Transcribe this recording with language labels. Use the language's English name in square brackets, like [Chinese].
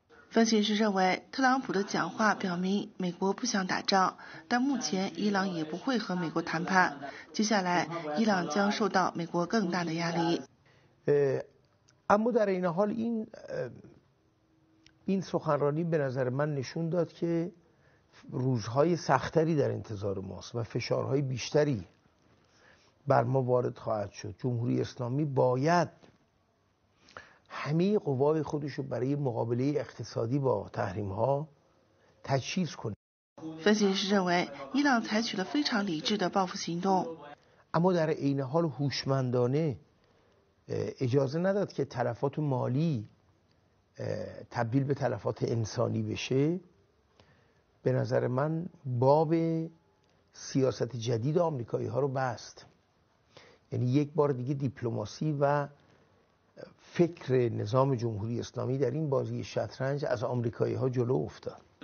[Chinese] 分析师认为特朗普的讲话表明美国不想打仗，但目前伊朗也不会和美国谈判，接下来伊朗将受到美国更大的压力。 [Persian] اما در این حال این سخنرانی به نظر من نشون داد که روزهای سختری در انتظار ماست و فشارهای بیشتری بر ما وارد خواهد شد. جمهوری اسلامی باید همه قوای خودش رو برای مقابله اقتصادی با تحریم ها تجهیز کنه. [Chinese] 分析师 认为 伊朗 采取了 非常 理智的 报复 行动 [Persian] اما در این حال هوشمندانه اجازه نداد که تلفات مالی تبدیل به تلفات انسانی بشه. به نظر من باب سیاست جدید آمریکایی ها رو بست، یعنی یک بار دیگه دیپلماسی و فکر نظام جمهوری اسلامی در این بازی شطرنج از آمریکایی ها جلو افتاد.